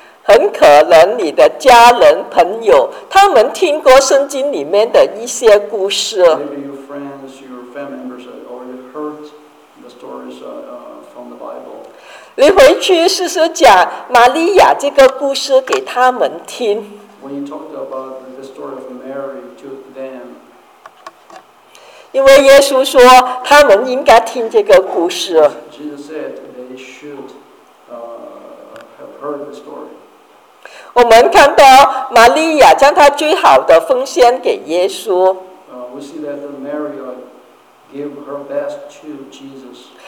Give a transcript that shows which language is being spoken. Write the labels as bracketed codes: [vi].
[zh] 很可能你的家人朋友他们听过圣经里面的一些故事。 [en] Maybe your friends, your family members already heard the stories from the Bible. [zh] 你回去试试讲玛利亚这个故事给他们听。 [en] When you talked about the story of Mary to them. [zh] 因为耶稣说他们应该听这个故事。 [en] Jesus said they should have heard the story. [zh] 我们看到玛利亚将她最好的奉献给耶稣。 [en] We see that Mary gave her best to Jesus.